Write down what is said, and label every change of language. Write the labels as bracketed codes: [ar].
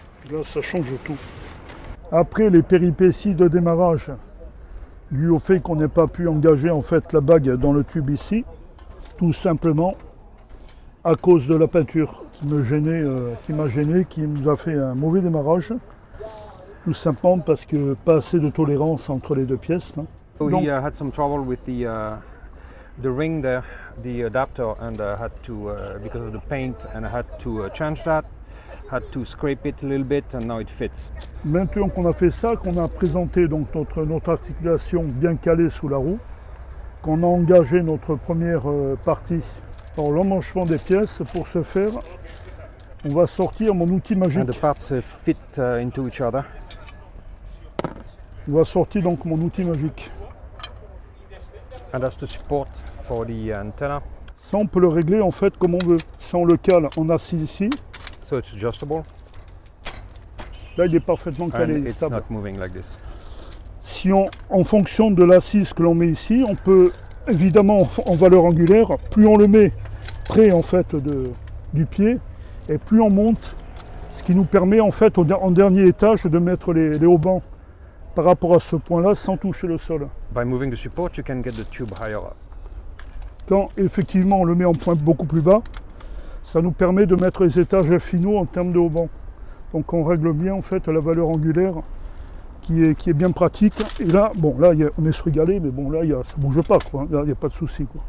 [fr] Là, ça change tout. Après les péripéties de démarrage, dû au fait qu'on n'ait pas pu engager en fait la bague dans le tube ici, tout simplement à cause de la peinture qui nous a fait un mauvais démarrage, tout simplement parce que pas assez de tolérance entre les deux pièces. [en] Donc, he had some trouble with the ring there, the adapter, and had to because of the paint, and had to change that. Had to scrape it a little bit and now it fits. [fr] Maintenant qu'on a fait ça, qu'on a présenté donc notre articulation bien calée sous la roue, qu'on a engagé notre première partie par l'emmanchement des pièces, pour ce faire, on va sortir mon outil magique. [en] And the parts fit into each other. [fr] On va sortir donc mon outil magique. [en] And that's the support for the antenna. [fr] Ça on peut le régler en fait comme on veut. Ça on le cale en assis ici. [en] So it's adjustable. [fr] Là, il est parfaitement calé, [en] it's stable. Not moving like this. [fr] Si on, en fonction de l'assise que l'on met ici, on peut évidemment en valeur angulaire, plus on le met près en fait du pied, et plus on monte, ce qui nous permet en fait en dernier étage de mettre les haubans par rapport à ce point-là sans toucher le sol. [en] By moving the support, you can get the tube higher up. [fr] Quand effectivement on le met en point beaucoup plus bas. Ça nous permet de mettre les étages finaux en termes de haubans. Donc on règle bien en fait la valeur angulaire qui est bien pratique. Et là, bon, là on est régalé, mais bon, là ça ne bouge pas, quoi. Là il n'y a pas de souci.